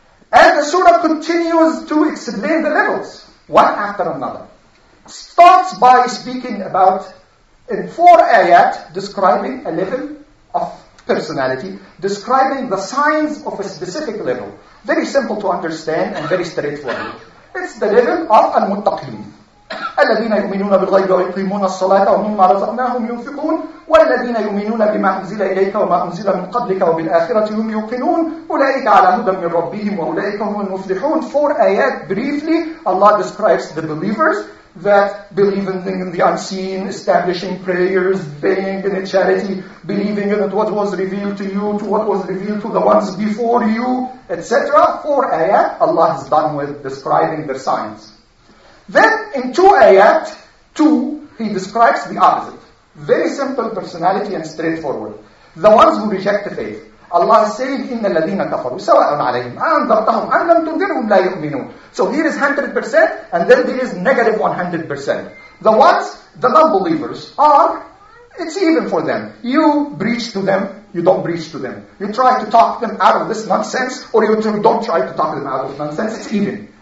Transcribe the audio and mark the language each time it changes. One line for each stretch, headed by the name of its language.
English: And the surah continues to explain the levels, one after another. Starts by speaking about, in four ayat, describing a level of personality, describing the signs of a specific level. Very simple to understand and very straightforward. It's the level of al-muttaqin.
Arabic: الذين يؤمنون بالغيب ويقيمون الصلاة ومما رزقناهم ينفقون والذين يؤمنون بما أنزل إليك وما أنزل من قبلك وبالآخرة هم يوقنون أولئك على هدى من ربهم وأولئك هم المفلحون.
English: Four ayat briefly, Allah describes the believers that believe in the unseen, establishing prayers, praying in charity, believing in what was revealed to you, to what was revealed to the ones before you, etc. Four ayat, Allah has done with describing their signs. Then in 2 ayat, 2, he describes the opposite. Very simple personality and straightforward. The ones who reject the faith. Allah is saying,
Arabic: إِنَّ الَّذِينَ كَفَرُوا سَوَاءٌ عَلَيْهِمْ أَنْذَرْتَهُمْ أَنْ لَمْ تُنْذِرْهُمْ لَا يُؤْمِنُونَ.
English: So here is 100% and then there is negative 100%. The ones, the non-believers are, it's even for them. You breach to them, you don't breach to them. You try to talk them out of this nonsense or you don't try to talk them out of nonsense, it's even.